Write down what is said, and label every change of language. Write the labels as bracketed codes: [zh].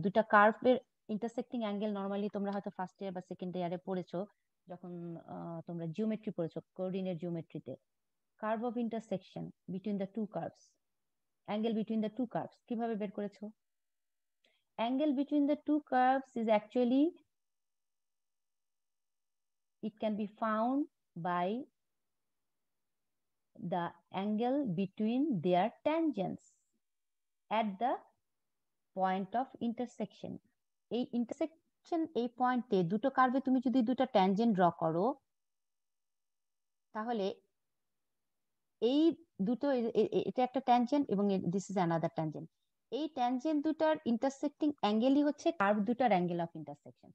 [bn] দুটা কার্ভ এর intersecting angle normally তোমরা হয়তো ফার্স্ট ইয়ার বা সেকেন্ড ইয়ারে পড়েছো, যখন তোমরা জিওমেট্রি পড়েছো, coordinate জিওমেট্রিতে curve of intersection between the two curves, angle between the two curves কিভাবে বের করেছো? Angle between the two curves is actually, [en] It can be found by the angle between their tangents at the point of intersection. [bn] এই intersection, এই পয়েন্টে দুটো কার্ভে তুমি যদি দুটো ট্যাঞ্জেন্ট ড্র করো, তাহলে এই দুটো, এটা একটা ট্যাঞ্জেন্ট এবং [en] this is another tangent, [bn] এই ট্যাঞ্জেন্ট দুটার ইন্টারসেক্টিং অ্যাঙ্গেলই হচ্ছে কার্ভ দুটার অ্যাঙ্গেল অফ ইন্টারসেকশন।